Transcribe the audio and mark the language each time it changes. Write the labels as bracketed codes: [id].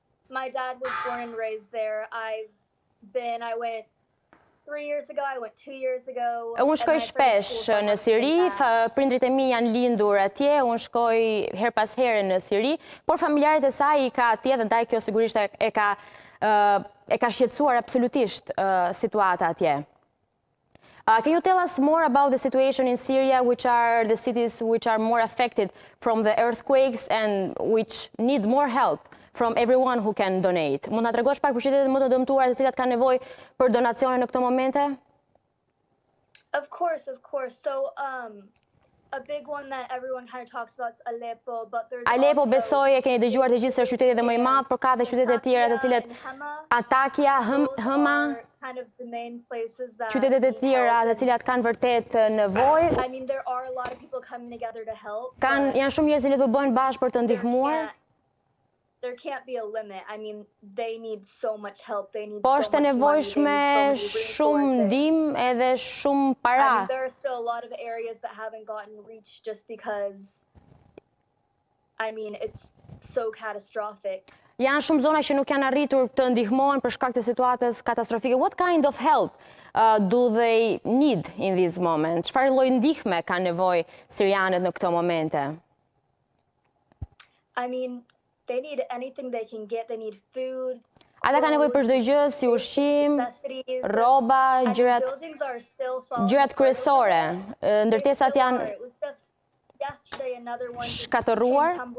[en] My dad was born and raised there. I went 3 years ago, I went 2 years ago. [sq] Unë shkoj shpesh në Siri, prindrit e mi janë lindur atje, unë shkoj her pas here në Siri, por familjarët e saj i ka atje dhe ndaj kjo sigurisht e ka shqetsuar absolutisht situata atje. [en] Can you tell us more about the situation in Syria, which are the cities which are more affected from the earthquakes and which need more help? From everyone who can donate. [sq] Mund na tregosh pak për qytetet më të dëmtuara të cilat kanë nevojë për donacione në këto momente? [en] Of course. So a big one that everyone kind of talks about is Aleppo, but there's [sq] Aleppo besoj e keni dëgjuar të gjithë se qyteti dhe më i madh, por ka edhe qytete të tjera të cilat Antakya, Hama, [en] kind of the main places that [sq] qytetet e tjera të cilat kanë vërtet nevojë. [en] I mean there are a lot of people coming together to help. [sq] Kan janë shumë njerëz që do bëhen bashkë për të ndihmuar. [en] There can't be a limit. I mean, they need so much help. They need [sq] po është [en] so much [sq] nevojshme shumë ndihmë edhe shumë para. [en] I mean, there are still a lot of areas that haven't gotten reached just because I mean, it's so catastrophic. [sq] Janë shumë zona që nuk janë arritur të ndihmohen për shkak të situatës katastrofike. [en] What kind of help do they need in this moment? [sq] Çfarë lloj ndihme kanë nevojë sirianët në këto momente? [en] I mean, they need anything they can get. They need food. [sq] Ata kanë nevojë për çdo gjë, si ushqim, rroba, gjërat kryesore. Ndërtesat janë shkatëruar.